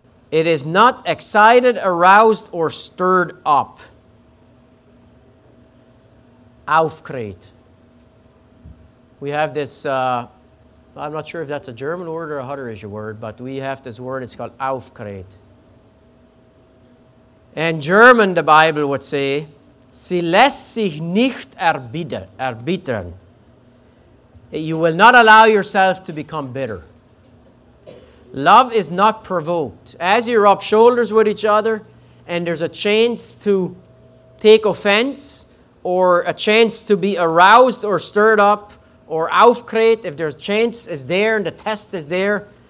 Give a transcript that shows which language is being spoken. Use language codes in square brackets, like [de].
[en] It is not excited, aroused, or stirred up. Aufgeregt. We have this, I'm not sure if that's a German word or a Hutterish word, but we have this word, it's called aufgeregt. In German, the Bible would say, [de] sie lässt sich nicht erbittern. [en] You will not allow yourself to become bitter. Love is not provoked. As you rub shoulders with each other and there's a chance to take offense or a chance to be aroused or stirred up or aufgeregt, if there's chance is there and the test is there.